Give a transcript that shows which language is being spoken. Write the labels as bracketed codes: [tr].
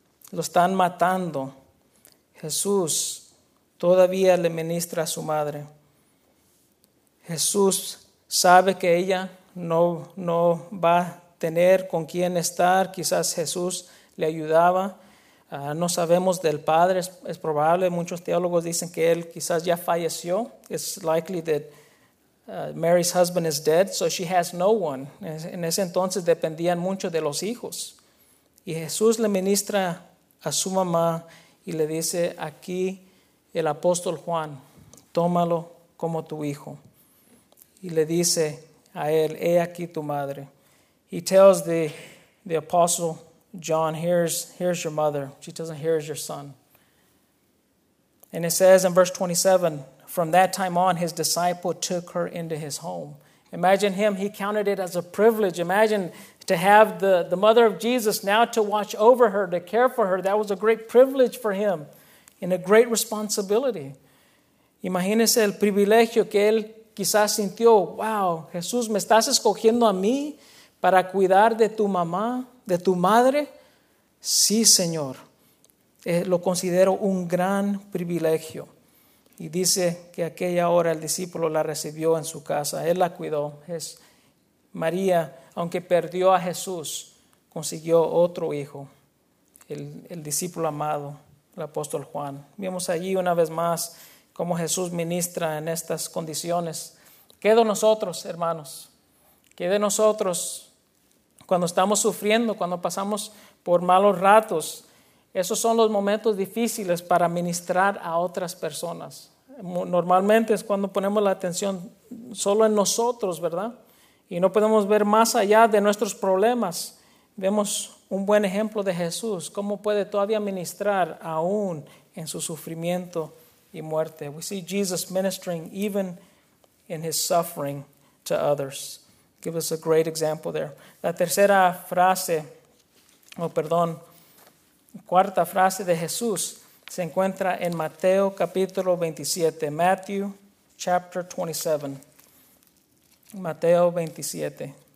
[es] Lo están matando. Jesús todavía le ministra a su madre. Jesús sabe que ella no va a tener con quién estar. Quizás Jesús le ayudaba. No sabemos del padre. Es probable. Muchos teólogos dicen que él quizás ya falleció. [en] It's likely that Mary's husband is dead, so she has no one. [es] En ese entonces dependían mucho de los hijos. Y Jesús le ministra a su mamá y le dice: aquí el apóstol Juan, tómalo como tu hijo. Y le dice a él: he aquí tu madre. [en] He tells the apostle John, here's your mother. She tells him, here's your son. And it says in verse 27, from that time on, his disciple took her into his home. Imagine him. He counted it as a privilege. Imagine to have the mother of Jesus now to watch over her, to care for her. That was a great privilege for him and a great responsibility. [es] Imagínese el privilegio que él quizás sintió. Wow, Jesús, me estás escogiendo a mí para cuidar de tu mamá, de tu madre. Sí, Señor. Lo considero un gran privilegio. Y dice que aquella hora el discípulo la recibió en su casa. Él la cuidó. María, aunque perdió a Jesús, consiguió otro hijo. El discípulo amado, el apóstol Juan. Vimos allí una vez más cómo Jesús ministra en estas condiciones. ¿Qué de nosotros, hermanos? ¿Qué de nosotros cuando estamos sufriendo, cuando pasamos por malos ratos? Esos son los momentos difíciles para ministrar a otras personas. Normalmente es cuando ponemos la atención solo en nosotros, ¿verdad? Y no podemos ver más allá de nuestros problemas. Vemos un buen ejemplo de Jesús. ¿Cómo puede todavía ministrar aún en su sufrimiento y muerte? [en] We see Jesus ministering even in his suffering to others. Give us a great example there. [es] La tercera frase, cuarta frase de Jesús se encuentra en Mateo capítulo 27, [en] Matthew chapter 27, [es] Mateo 27.